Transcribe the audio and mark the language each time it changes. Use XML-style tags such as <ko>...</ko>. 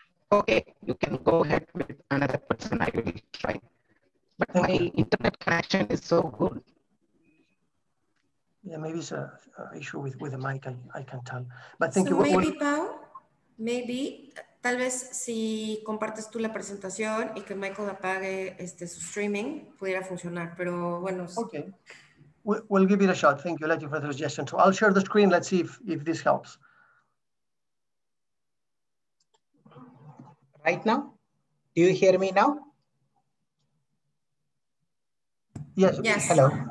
<en>Okay, you can go ahead with another person, I will try. But thank my you. Internet connection is so good. Yeah, maybe it's an issue with the mic, I can tell. But thank so you. Maybe, maybe.</en> <es>Tal vez si compartes tú la presentación y que Michael apague su streaming, pudiera funcionar, pero bueno.</es> <en>Okay, we'll give it a shot. Thank you, Leti, for the suggestion. So I'll share the screen, let's see if this helps. Right now? Do you hear me now? Yes. Yes. Hello.</en>